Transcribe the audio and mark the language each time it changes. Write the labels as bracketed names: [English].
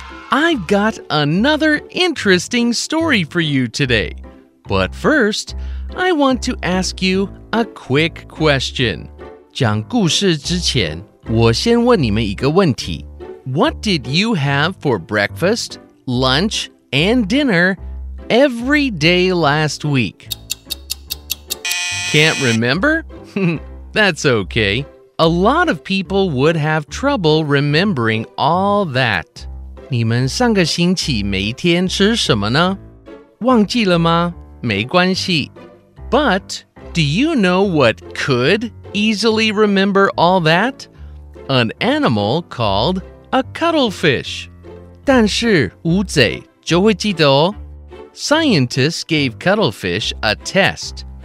[English] I've got another interesting story for you today. But first, I want to ask you a quick question. [Chinese] 讲故事之前，我先问你们一个问题。 [English] What did you have for breakfast, lunch, and dinner every day last week? Can't remember? That's okay. A lot of people would have trouble remembering all that. [Chinese] 你们上个星期每天吃什么呢？忘记了吗？没关系。 [English] But do you know what could easily remember all that? An animal called a cuttlefish. [Chinese] 但是乌贼就会记得哦。 [English] Scientists gave cuttlefish a test.